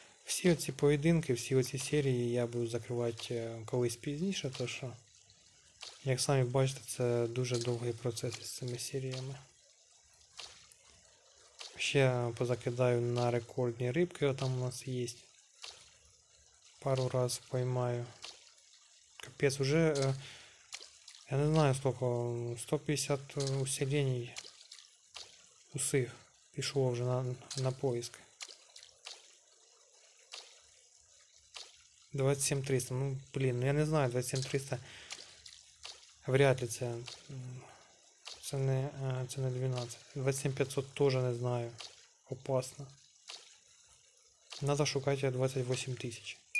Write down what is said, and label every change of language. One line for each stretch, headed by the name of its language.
Ukrainian: Всі оці поєдинки, всі оці серії я буду закривати колись пізніше, то що. Як самі бачите, це дуже довгий процес із цими серіями. Ще позакидаю на рекордні рибки, отам у нас є. Пару раз поймаю.
Russian: Капец, уже я не знаю сколько, 150 усилений усих пішло вже на поиск.
Ukrainian: 27 300, ну блін, ну я не знаю, 27 300, вряд ли це не 12. 27 500 теж не знаю, опасно. Треба шукати 28 тисяч.